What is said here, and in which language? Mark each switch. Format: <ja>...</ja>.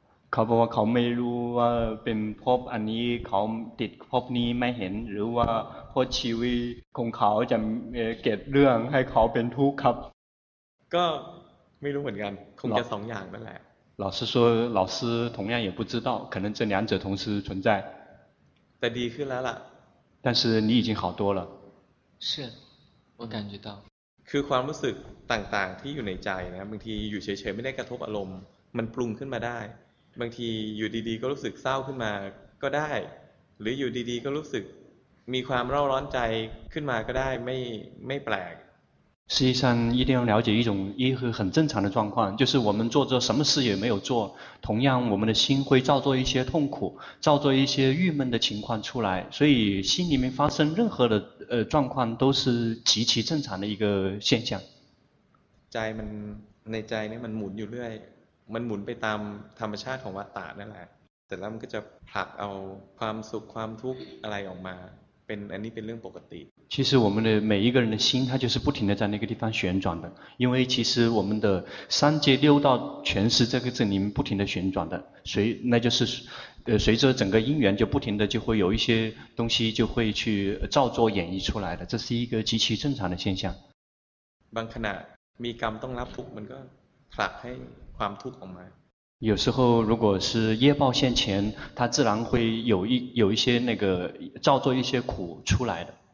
<th>เขาบอกว่าเขาไม่รู้ว่าเป็นภพอันนี้เขาติดภพนี้ไม่เห็นหรือว่าภพชีวิตของเขาจะเกิดเรื่องให้เขาเป็นทุกข์ครับ ก็ไม่รู้เหมือนกันคงจะ2อย่างนั่นแหละ</th> <zh>老师说老师同样也不知道可能这两者同时存在</zh> <th>แต่ดีขึ้นแล้วล่ะ</th> <zh>但是你已经好多了是我感觉到</zh> <th>คือความรู้สึกต่างๆที่อยู่ในใจนะบางทีอยู่เฉยๆไม่ได้กระทบอารมณ์มันปรุงขึ้นมาได้บางทีอยู่ดีๆก็รู้สึกเศร้าขึ้นมาก็ได้หรืออยู่ดีๆก็รู้สึกมีความเร่าร้อนใจขึ้นมาก็ได้ไม่แปลก</th> <zh>实际上一定要了解一种一个很正常的状况就是我们做着什么事也没有做同样我们的心会造作一些痛苦造作一些郁闷的情况出来所以心里面发生任何的状况都是极其正常的一个现象</zh> <th>ใจมันในใจเนี่ยมันหมุนอยู่เรื่อยมันหมุนไปตามธรรมชาติของวัฏฏะนั่นแหละแต่แล้วมันก็จะผลักเอาความสุขความทุกข์อะไรออกมาเป็นอันนี้เป็นเรื่องปกติ</th> <zh>其实我们的每一个人的心它就是不停的在那个地方旋转的因为其实我们的三界六道全是这个阵营不停的旋转的所以那就是随着整个因缘就不停的就会有一些东西就会去造作演绎出来的这是一个极其正常的现象</zh> <th>บางขณะมีกรรมต้องรับทุกข์มันก็ผลักให้ความทุกข์ออกมา</th> <zh>有时候如果是业报现前，他自然会有一些那个造作一些苦出来的。</zh>